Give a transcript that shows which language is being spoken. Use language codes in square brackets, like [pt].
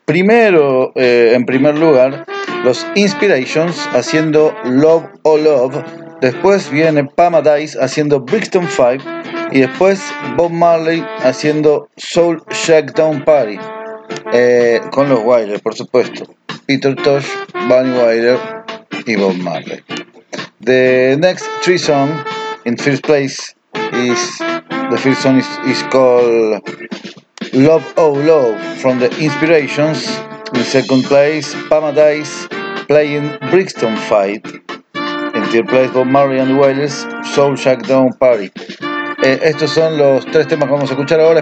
[es] Primero, en primer lugar, los Inspirations haciendo Love or Love. Después viene Pama Dice haciendo Brixton 5 y después Bob Marley haciendo Soul Shakedown Party, con los Wailers, por supuesto. Peter Tosh, Bunny Wailer y Bob Marley. [en] The next three song in first place is, the first song is called Love Oh Love from the Inspirations. In second place, Pama Dice playing Brixton 5. Third place, Bob Marley and the Wailers, Soul Shakedown Party. [es] Estos son los tres temas que vamos a escuchar ahora.